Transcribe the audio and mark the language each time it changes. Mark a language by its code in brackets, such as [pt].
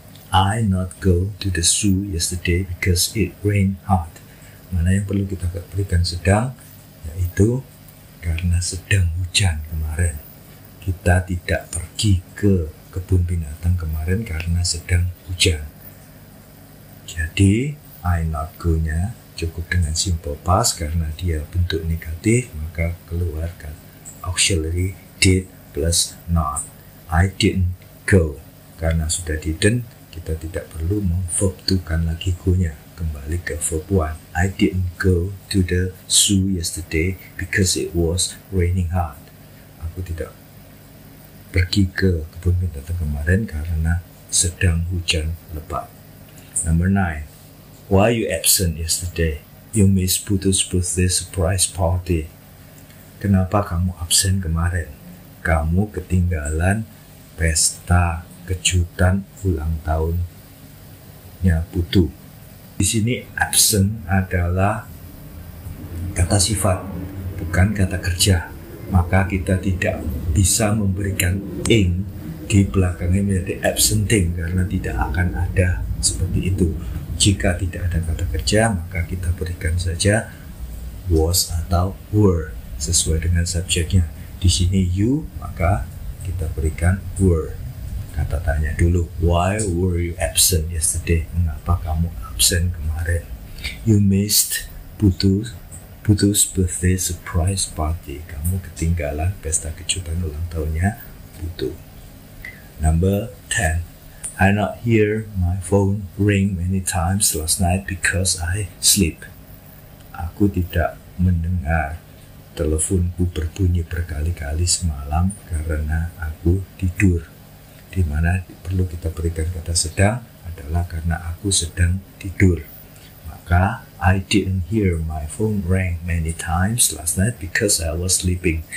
[en] I not go to the zoo yesterday because it rained hard. [id] Mana yang perlu kita berikan sedang? Yaitu karena sedang hujan kemarin. Kita tidak pergi ke kebun binatang kemarin karena sedang hujan. Jadi, [en] I not go- [id] nya cukup dengan simple past karena dia bentuk negatif, maka keluarkan auxiliary did plus not. [en] I didn't go. [id] Karena sudah didn't, kita tidak perlu memverb-tukan lagi go-nya. Kembali ke verb 1. [en] I didn't go to the zoo yesterday because it was raining hard. [id] Aku tidak pergi ke kebun binatang kemarin karena sedang hujan lebat. [en] Number 9. Why you absent yesterday? You miss Putu's birthday surprise party. [id] Kenapa kamu absen kemarin? Kamu ketinggalan pesta kejutan ulang tahunnya Putu. Di sini absent adalah kata sifat, bukan kata kerja. Maka kita tidak bisa memberikan ing di belakangnya menjadi absenting karena tidak akan ada seperti itu. Jika tidak ada kata kerja, maka kita berikan saja was atau were sesuai dengan subjeknya. Di sini you, maka kita berikan were. Kata tanya dulu, [en] why were you absent yesterday? [id] Mengapa kamu absent kemarin? [en] You missed Putu's birthday surprise party. [id] Kamu ketinggalan pesta kejutan ulang tahunnya Putu. [en] Number 10. I not hear my phone ring many times last night because I sleep. [id] Aku tidak mendengar teleponku berbunyi berkali-kali semalam karena aku tidur. Di mana perlu kita berikan kata sedang adalah karena aku sedang tidur. [en] Maka I didn't hear my phone ring many times last night because I was sleeping.